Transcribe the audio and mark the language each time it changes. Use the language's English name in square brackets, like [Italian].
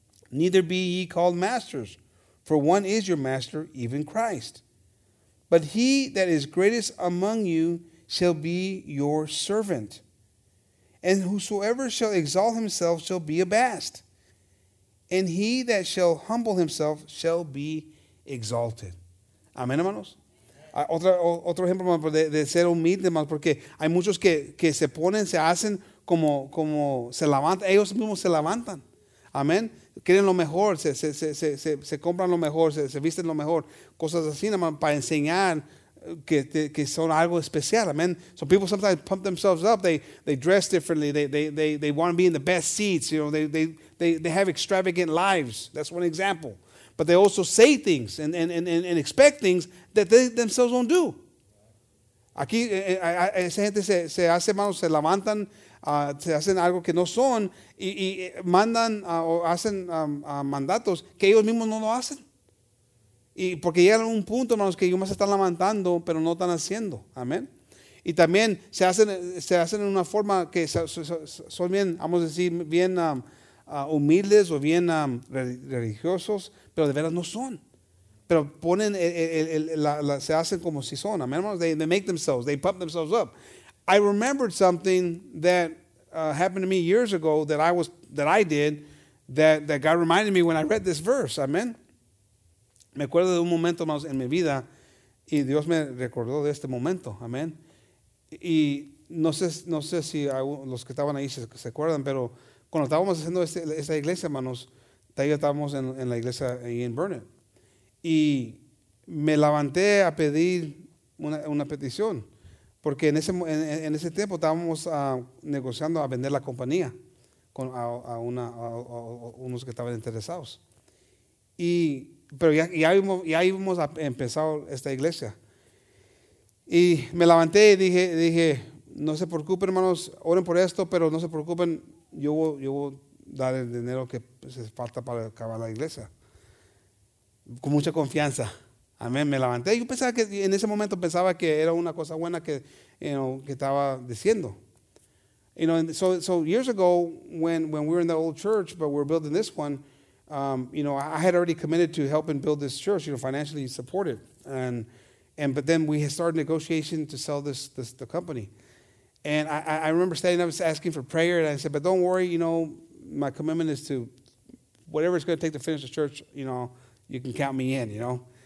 [English] Neither be ye called masters, for one is your master, even Christ. But he that is greatest among you shall be your servant. And whosoever shall exalt himself shall be abased. And he that shall humble himself shall be exalted. [Spanish] Amén, hermanos. Otro ejemplo, hermanos, de ser humilde, hermanos, porque hay muchos que se ponen, se hacen como se levantan. Ellos mismos se levantan. Amén. Quieren lo mejor, se compran lo mejor, se visten lo mejor. Cosas así, hermanos, para enseñar. Que son algo especial, amen. [English] So people sometimes pump themselves up. They dress differently. They want to be in the best seats. They have extravagant lives. That's one example. But they also say things and expect things that they themselves don't do. [Spanish] Aquí esa gente se hace manos, se levantan, se hacen algo que no son y mandan o hacen mandatos que ellos mismos no lo hacen. Y porque llegan a un punto, hermanos, que ellos se están levantando, pero no están haciendo. Amén. Y también se hacen en una forma que son bien, vamos a decir, bien humildes o bien religiosos, pero de veras no son. Pero ponen, se hacen como si son. Amen, hermanos. [English] They make themselves, they pump themselves up. I remembered something that happened to me years ago that God reminded me when I read this verse. Amen. [Spanish] Me acuerdo de un momento más en mi vida y Dios me recordó de este momento. Amen. Y no sé si los que estaban ahí se acuerdan, pero cuando estábamos haciendo esta iglesia, hermanos, estábamos en la iglesia ahí en Burnett. Y me levanté a pedir una petición, porque en ese tiempo estábamos negociando a vender la compañía a unos que estaban interesados. Pero ya habíamos empezado esta iglesia. Y me levanté y dije, no se preocupen, hermanos, oren por esto, pero no se preocupen, yo voy a dar el dinero que se falta para acabar la iglesia. Con mucha confianza. Amén. Me levanté. Yo pensaba que en ese momento pensaba que era una cosa buena que estaba diciendo. [English] You know, so years ago, when we were in the old church, but we were building this one, you know, I had already committed to helping build this church, you know, financially support it. But then we had started negotiation to sell this the company. And I remember standing up asking for prayer, and I said, but don't worry, you know, my commitment is to whatever it's going to take to finish the church, you know, you can count me in, you know.